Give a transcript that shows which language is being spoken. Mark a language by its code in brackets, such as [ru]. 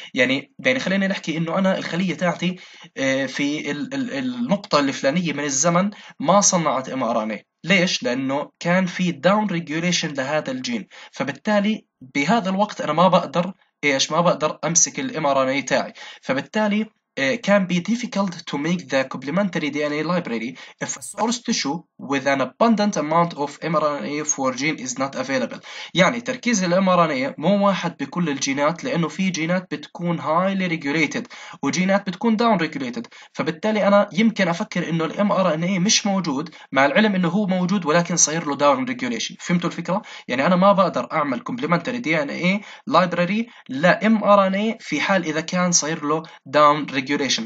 [ar] يعني خلينا نحكي انه انا الخليه تاعتي في النقطه الفلانيه من الزمن ما صنعت ام ار ان اي. ليش؟ لانه كان في داون ريجوليشن لهذا الجين، فبالتالي بهذا الوقت انا ما بقدر ايش، ما بقدر امسك الام ار ان اي تاعي. فبالتالي [en] can be difficult to make the complementary DNA library if first tissue with an abundant amount of mRNA for gene is not available. [ar] يعني تركيز الـ mRNA مو واحد بكل الجينات، لأنه في جينات بتكون highly regulated وجينات بتكون down regulated. فبالتالي أنا يمكن أفكر إنه الـ mRNA مش موجود، مع العلم إنه هو موجود ولكن صاير له down regulation. فهمتوا الفكرة؟ يعني أنا ما بقدر أعمل complementary DNA library لـ mRNA في حال إذا كان صاير له down regulation.